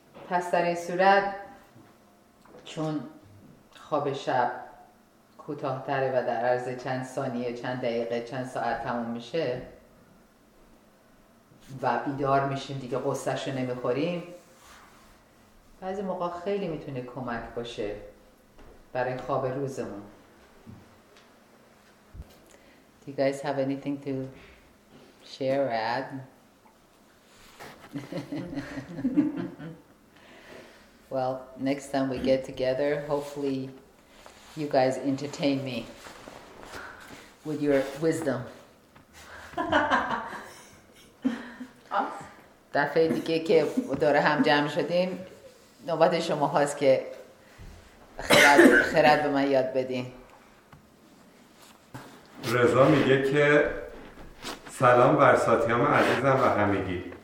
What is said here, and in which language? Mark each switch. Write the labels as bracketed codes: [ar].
[fa] پس در این صورت چون خواب شب کوتاه‌تره و در عرض چند ثانیه، چند دقیقه، چند ساعت تموم میشه و بیدار میشیم دیگه قصهشو نمیخوریم، بعضی موقع خیلی میتونه کمک باشه برای خواب روزمون. [en] Do you guys have anything to share or add? Well, next time we get together, hopefully you guys entertain me with your wisdom. [fa] دفعه دیگه که دور هم جمع شدیم، نوبت شما هست که خرد به من یاد بدین. رضا میگه که سلام بر ساتیام عزیزم و همگی.